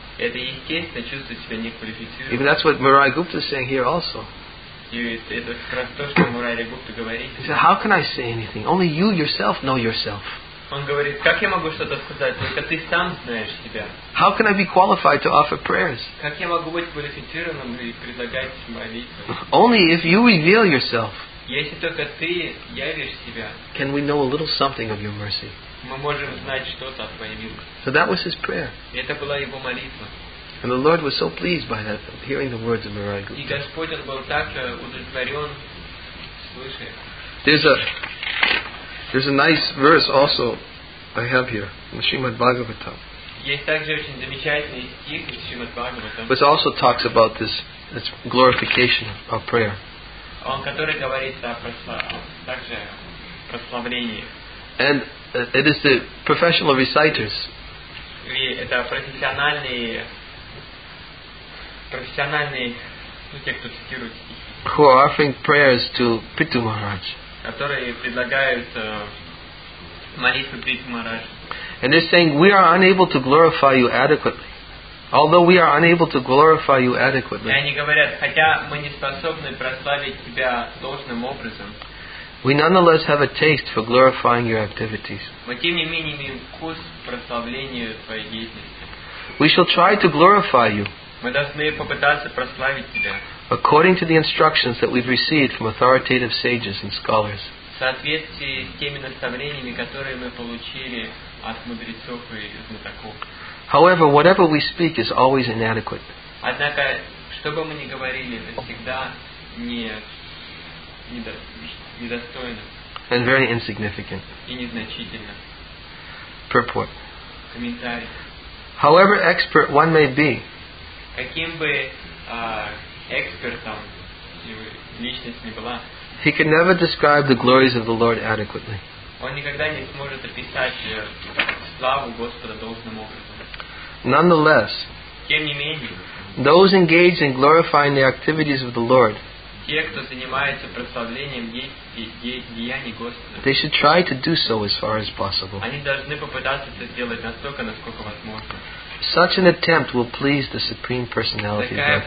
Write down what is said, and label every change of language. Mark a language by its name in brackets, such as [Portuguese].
[Russian] Это естественно чувствовать себя неквалифицированным. [English] Even that's what Murari Gupta is saying here also. [Russian] Это как раз то, что Мурари Гупта говорит. [English] He said, "How can I say anything? Only you yourself know yourself." [Russian] Он говорит, как я могу что-то сказать, только ты сам знаешь себя. [English] How can I be qualified to offer prayers? [Russian] Как я могу быть квалифицированным и предлагать молитвы? [English] Only if you reveal yourself. [Russian] Если только ты явишь себя. [English] Can we know a little something of your mercy? [Russian] Мы можем знать что-то о твоей милости. [English] So that was his prayer. [Russian] Это была его молитва. [English] And the Lord was so pleased by that, hearing the words of Murari Gupta. [Russian] И Господь был так удовлетворен, слыша. [English] There's a nice verse also I have here in Srimad Bhagavatam. [Russian] Есть также очень замечательный стих из Srimad Bhagavatam. [English] Which also talks about this glorification of prayer. [Russian] он который говорит также прославление. [English] And it is the professional reciters. [Russian] И это профессиональные, ну те, кто цитирует стихи. [English] Who are offering prayers to Pitu Maharaj. [Russian] Которые предлагают молитвы Питу Махараджу. [English] And they're saying, we are unable to glorify you adequately. Although we are unable to glorify you adequately. [Russian] И они говорят, хотя мы не способны прославить тебя должным образом. [English] We nonetheless have a taste for glorifying your activities. [Russian] Мы тем не менее имеем вкус прославления твоей деятельности. [English] We shall try to glorify you. [Russian] Мы должны попытаться прославить тебя. [English] According to the instructions that we've received from authoritative sages and scholars. [Russian] В соответствии с теми наставлениями, которые мы получили от мудрецов и знатоков. [English] However, whatever we speak is always inadequate. [Russian] Однако, что бы мы ни говорили, это всегда недостойно. [English] And very insignificant. [Russian] И незначительно. [English] Purport. [Russian] Комментарий. [English] However expert one may be. [Russian] Каким бы экспертом личность не была. [English] He can never describe the glories of the Lord adequately. [Russian] Он никогда не сможет описать славу Господа должным образом. [English] Nonetheless, [Russian] тем не менее, [English] those engaged in glorifying the activities of the Lord, [Russian] те, кто занимается прославлением деяний Господа, [English] they should try to do so as far as possible. [Russian] Они должны попытаться это сделать настолько, насколько возможно. [English] Such an attempt will please the Supreme Personality of